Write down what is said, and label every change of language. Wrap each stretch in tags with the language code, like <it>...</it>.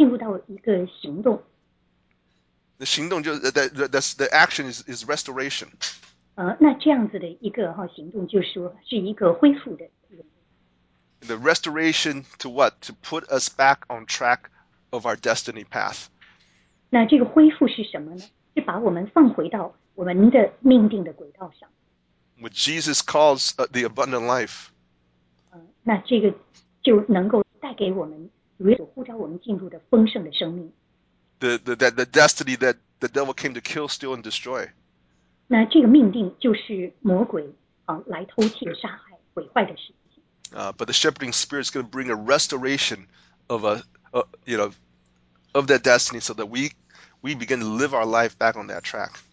<zh>那这样子的牧人的这个恩膏，它不光是带下一个我们这样子的一个明白而已，而且它能够让我们进入到一个行动。</zh> <en>The action is restoration.</en> <zh>那这样子的一个行动就是说是一个恢复的。</zh> <en>The restoration to what? To put us back on track of our destiny path.</en> <zh>那这个恢复是什么呢? 是把我们放回到我们的命定的轨道上。</zh> <en>What Jesus calls the abundant life.</en> <zh>那这个就能够带给我们，主呼召我们进入的丰盛的生命。</zh> <en>The destiny that the devil came to kill, steal, and destroy.</en> <zh>那这个命定就是魔鬼来偷窃、杀害、毁坏的事。</zh> <en>But the shepherding spirit is going to bring a restoration of of that destiny, so that we begin to live our life back on that track.</en>